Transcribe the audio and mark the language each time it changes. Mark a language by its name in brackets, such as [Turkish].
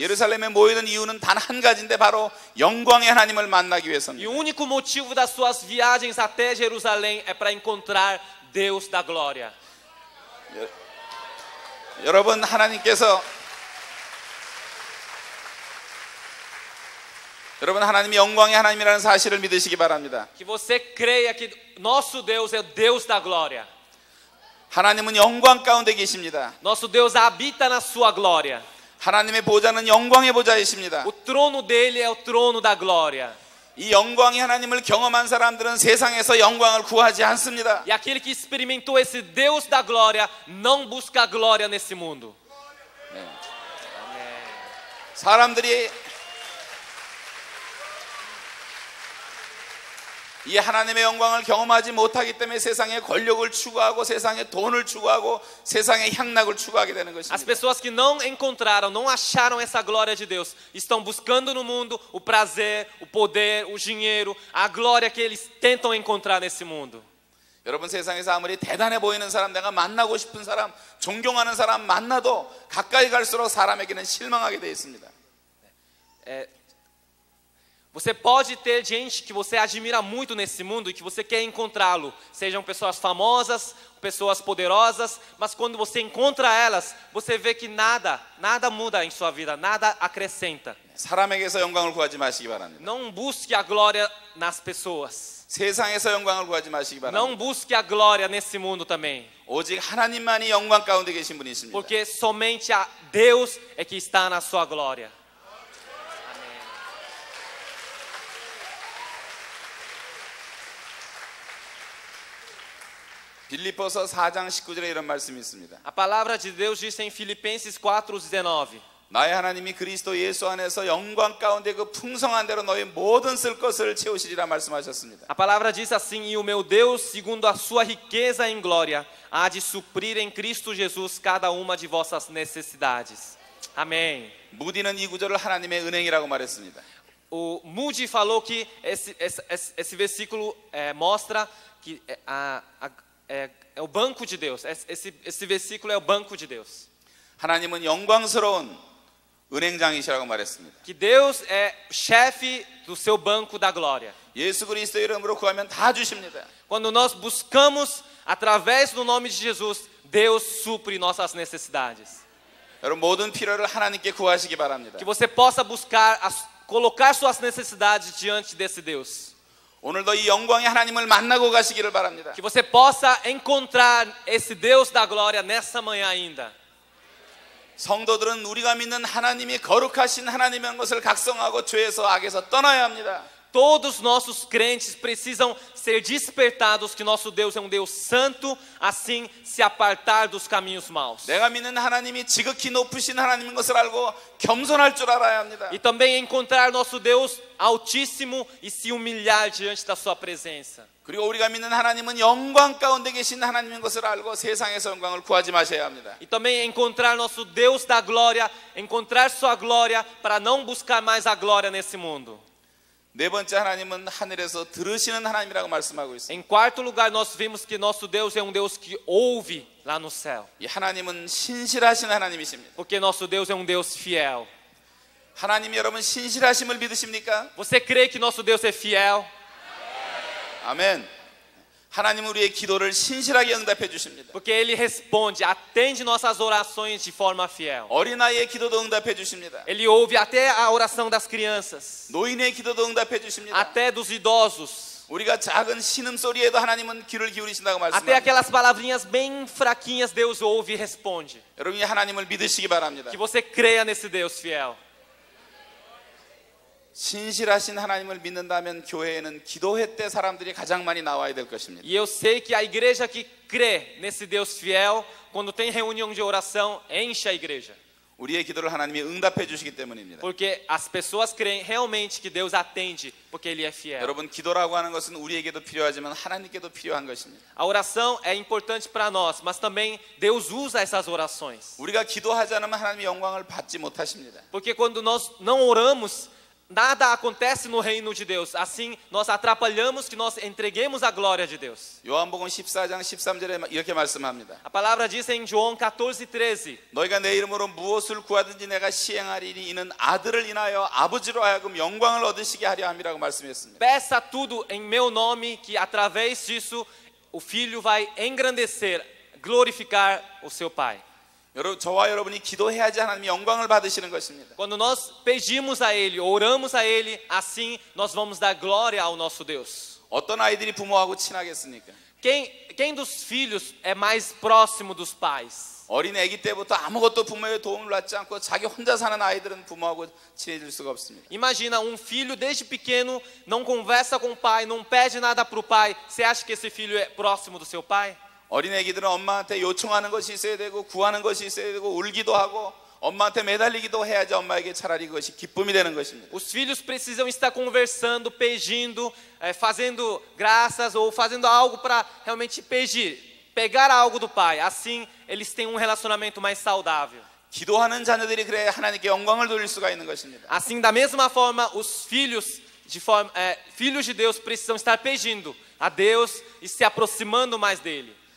[Korean] 예루살렘에 모이는 이유는 단 한 가지인데 바로 영광의 하나님을 만나기 위해서입니다. [Portuguese] E o único motivo das suas viagens até Jerusalém é para encontrar Deus da glória. [Korean] 여러분 하나님께서 여러분 하나님이 영광의 하나님이라는 사실을 믿으시기 바랍니다. [Portuguese] Que você creia que nosso Deus é Deus da glória. [Korean] 하나님은 영광 가운데 계십니다. [Portuguese] Nosso Deus habita na sua glória. [Korean] 하나님의 보좌는 영광의 보좌이십니다. [Portuguese] O trono dele é o trono da glória. [Korean] 이 영광의 하나님을 경험한 사람들은 세상에서 영광을 구하지 않습니다. [Portuguese] E aquele que experimentou esse Deus da glória não busca glória nesse mundo. [Korean] 네. 네. 사람들이 이 하나님의 영광을 경험하지 못하기 때문에 세상의 권력을 추구하고 세상의 돈을 추구하고 세상의 향락을 추구하게 되는 것입니다. [Portuguese] As pessoas que não encontraram, não acharam essa glória de Deus, estão buscando no mundo o prazer, o poder, o dinheiro, a glória que eles tentam encontrar nesse mundo. [Korean] 여러분 세상에서 아무리 대단해 보이는 사람, 내가 만나고 싶은 사람, 존경하는 사람 만나도 가까이 갈수록 사람에게는 실망하게 되어 있습니다. [Portuguese] Você pode ter gente que você admira muito nesse mundo e que você quer encontrá-lo. Sejam pessoas famosas, pessoas poderosas, mas quando você encontra elas, você vê que nada muda em sua vida, nada acrescenta. [Korean] 사람에게서 영광을 구하지 마시기 바랍니다. [Portuguese] Não busque a glória nas pessoas. [Korean] 세상에서 영광을 구하지 마시기 바랍니다. [Portuguese] Não busque a glória nesse mundo também. [Korean] 오직 하나님만이 영광 가운데 계신 분이십니다. [Portuguese] Porque somente a Deus é que está na sua glória. [Korean] 빌립보서 4장 19절에 이런 말씀이 있습니다. [Portuguese] A palavra de Deus diz em Filipenses 4:19. [Korean] 나의 하나님이 그리스도 예수 안에서 영광 가운데 그 풍성한 대로 너희 모든 쓸 것을 채우시리라 말씀하셨습니다. [Portuguese] A palavra diz assim: e o meu Deus, segundo a sua riqueza em glória, há de suprir em Cristo Jesus cada uma de vossas necessidades. Amém. [Korean] 무디는 이 구절을 하나님의 은행이라고 말했습니다. [Portuguese] O Moody falou que esse versículo mostra que é o banco de Deus. Esse versículo é o banco de Deus. [Korean] 하나님은 영광스러운 은행장이시라고 말했습니다. [Portuguese] Que Deus é chefe do seu banco da glória. [Korean] 예수 그리스도 이름으로 구하면 다 주십니다. [Portuguese] Quando nós buscamos através do nome de Jesus, Deus supre nossas necessidades. [Korean] 여러분 모든 필요를 하나님께 구하시기 바랍니다. [Portuguese] Que você possa buscar colocar suas necessidades diante desse Deus. [Korean] 오늘도 이 영광의 하나님을 만나고 가시기를 바랍니다. [Portuguese] Que você possa encontrar esse Deus da glória nessa manhã ainda. [Korean] 성도들은 우리가 믿는 하나님이 거룩하신 하나님인 것을 각성하고 죄에서 악에서 떠나야 합니다. [Portuguese] Todos nossos crentes precisam ser despertados que nosso Deus é um Deus santo, assim se apartar dos caminhos maus. [Korean] 내가 믿는 하나님이 지극히 높으신 하나님인 것을 알고 겸손할 줄 알아야 합니다. [Portuguese] E também encontrar nosso Deus altíssimo e se humilhar diante da sua presença. [Korean] 그리고 우리가 믿는 하나님은 영광 가운데 계신 하나님인 것을 알고 세상에서 영광을 구하지 마셔야 합니다. [Portuguese] E também encontrar nosso Deus da glória, encontrar sua glória para não buscar mais a glória nesse mundo. [Korean] 네 번째 하나님은 하늘에서 들으시는 하나님이라고 말씀하고 있습니다. [Portuguese] Em quarto lugar nós vimos que nosso Deus é um Deus que ouve lá no céu. [Korean] 이 하나님은 신실하신 하나님이십니다. [Portuguese] Porque nosso Deus é um Deus fiel. [Korean] 하나님 여러분 신실하심을 믿으십니까? [Portuguese] Você crê que nosso Deus é fiel? [Korean] 아멘. 하나님은 우리의 기도를 신실하게 응답해 주십니다. [Portuguese] Porque ele responde, atende nossas orações de forma fiel. [Korean] 어린아이의 기도도 응답해 주십니다. [Portuguese] Ele ouve até a oração das crianças. [Korean] 노인의 기도도 응답해 주십니다. [Portuguese] Até dos idosos. [Korean] 우리가 작은 신음소리에도 하나님은 귀를 기울이신다고 말씀합니다. [Portuguese] Até aquelas palavrinhas bem fraquinhas Deus ouve e responde. [Korean] 여러분이 하나님을 믿으시기 바랍니다. [Portuguese] Que você creia nesse Deus fiel. [Korean] 신실하신 하나님을 믿는다면 교회에는 기도회 때 사람들이 가장 많이 나와야 될 것입니다. [Portuguese] E eu sei que a igreja que crê nesse Deus fiel, quando tem reunião de oração, enche a igreja. [Korean] 우리의 기도를 하나님이 응답해 주시기 때문입니다. [Portuguese] Porque as pessoas creem realmente que Deus atende, porque ele é fiel. [Korean] 여러분, 기도라고 하는 것은 우리에게도 필요하지만 하나님께도 필요한 것입니다. [Portuguese] A oração é importante para nós, mas também Deus usa essas orações. [Korean] 우리가 기도하지 않으면 하나님의 영광을 받지 못하십니다. [Portuguese] Porque quando nós não oramos, nada acontece no reino de Deus. Assim, nós atrapalhamos que nós entreguemos a glória de Deus. [Korean] João 14장 13절에 이렇게 말씀합니다. [Portuguese] A palavra diz em João 14:13. [Korean] 너희가 내 이름으로 무엇을 구하든지 내가 시행하리니 이는 아들을 인하여 아버지로 하여금 영광을 얻으시게 하려 함이라고 말씀했습니다. [Portuguese] Peça tudo em meu nome, que através disso o filho vai engrandecer, glorificar o seu pai. [Korean] 여러분, 저와 여러분이 기도해야지 하나님이 영광을 받으시는 것입니다. [Portuguese] Quando nós pedimos a ele, oramos a ele, assim nós vamos dar glória ao nosso Deus. [Korean] 어떤 아이들이 부모하고 친하겠습니까? [Portuguese] Quem dos filhos é mais próximo dos pais? [Korean] 어린 아기 때부터 아무것도 부모의 도움을 받지 않고 자기 혼자 사는 아이들은 부모하고 친해질 수가 없습니다. [Portuguese] Imagina um filho desde pequeno não conversa com o pai, não pede nada pro pai. Você acha que esse filho é próximo do seu pai? [Korean] 어린애기들은 엄마한테 요청하는 것이 있어야 되고 구하는 것이 있어야 되고 울기도 하고 엄마한테 매달리기도 해야지 엄마에게 차라리 그것이 기쁨이 되는 것입니다. [Portuguese] Os filhos precisam estar conversando, pedindo, fazendo graças ou fazendo algo para realmente pedir, pegar algo do pai. Assim eles têm um relacionamento mais saudável. [Korean] 기도하는 자녀들이 그래야 하나님께 영광을 돌릴 수가 있는 것입니다. [Portuguese] Assim da mesma forma os filhos de forma filhos de Deus precisam estar pedindo a Deus e se aproximando mais dele.